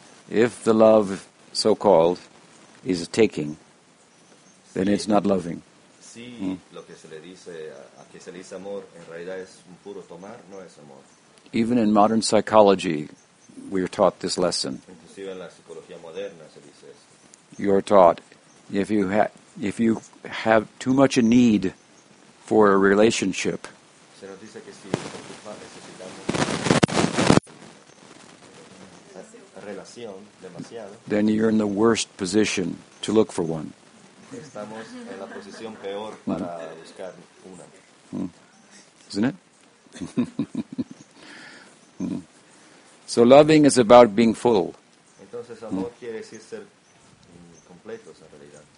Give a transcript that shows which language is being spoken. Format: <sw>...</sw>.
<en>If the love, so-called, is a taking, then it's not loving.</en> <es>sí, lo que se le dice a que se le dice amor en realidad es un puro tomar, no es amor.</es> <en>Even in modern psychology, we are taught this lesson.</en> <es>Inclusive en la psicología moderna se dice esto.</es> <en>You are taught if you have too much a need for a relationship.</en> <es>Se nos dice que si necesitamos relación demasiado.</es> <en>Then you're in the worst position to look for one.</en> <es>Estamos en la posición peor para buscar una.</es> <en>Isn't it? So loving is about being full.</en> <es>Entonces, amor quiere decir ser completos, en realidad.</es>